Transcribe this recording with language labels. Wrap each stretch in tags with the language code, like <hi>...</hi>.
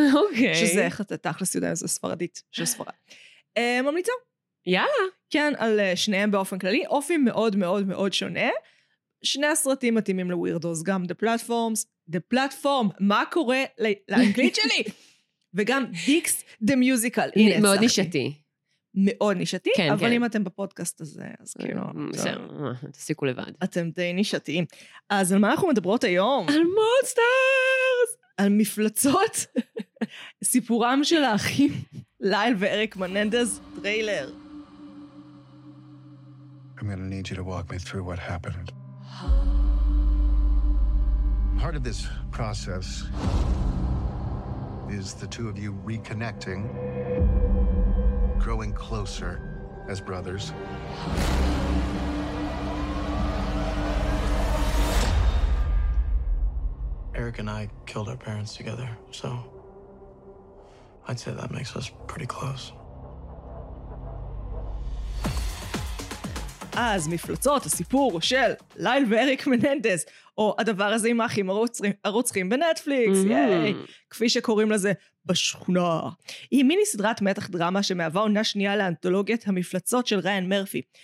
<he>אוקיי. שזה איך אתה תאכלס יודע, זה ספרדית של ספרד. ממליצה. יאללה. כן, על שניהם באופן כללי, אופי מאוד מאוד מאוד שונה. שני הסרטים מתאימים לווירדוס, גם The Platforms, The Platform, מה קורה לאנגלית שלי? וגם Dicks The Musical. הנה, מאוד נישתי. מאוד נישתי, כן, אבל כן. אם אתם בפודקאסט הזה, אז כאילו... בסדר, תסיקו לבד. אתם די נישתיים. אז על מה אנחנו מדברות היום? על מונסטרס! על מפלצות? סיפורם של האחים ליל ואריק מננדז, טריילר.</he> <en>I'm gonna need you to walk me through what happened. Part of this process is the two of you reconnecting, growing closer as brothers. Eric and I killed our parents together, so I'd say that makes us pretty close.</en> <he>אז מפלצות, הסיפור של ליל ואריק מננדז, או הדבר הזה עם האחים הרוצחים בנטפליקס, ייי, כפי שקוראים לזה בשכונה. היא מיני סדרת מתח דרמה שמהווה עונה שנייה לאנתולוגיית המפלצות של ריין מרפי.</he>